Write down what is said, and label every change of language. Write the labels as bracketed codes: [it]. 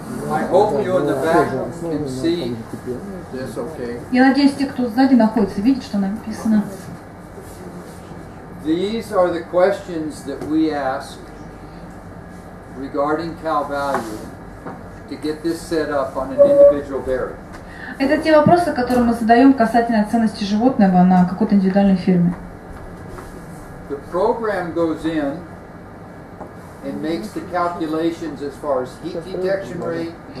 [en] I hope you in the back can see this okay. [ru] Я надеюсь, те, кто сзади находится, видят, что написано. [en] These are the questions that we ask regarding cow value to get this set up on an individual dairy. [ru] Это те вопросы, которые мы задаем касательно ценности животного на какой-то индивидуальной фирме. [en] The program goes in and makes the calculations as far as heat detection rate.